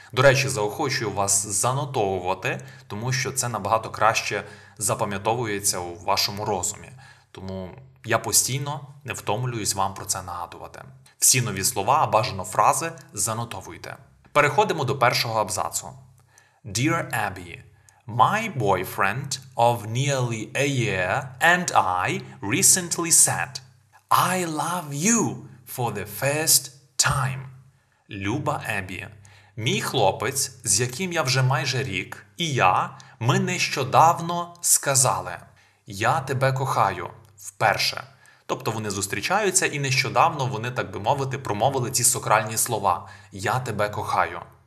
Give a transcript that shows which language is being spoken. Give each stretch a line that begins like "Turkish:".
Ukrainian: До речі, заохочую вас занотовувати, тому що це набагато краще запам'ятовується у вашому розумі. Тому я постійно не втомлююсь вам про це нагадувати. Всі нові слова, а бажано фрази, занотовуйте. Переходимо до першого абзацу.
English: Dear Abby, my boyfriend of nearly a year and I recently said, I love you for the first time.
Ukrainian: Люба Abby. Мій хлопець, з яким я вже майже рік, і я, ми нещодавно сказали «Я тебе кохаю» вперше. Тобто вони зустрічаються, і нещодавно вони, так би мовити, промовили ці сакральні слова «Я тебе кохаю».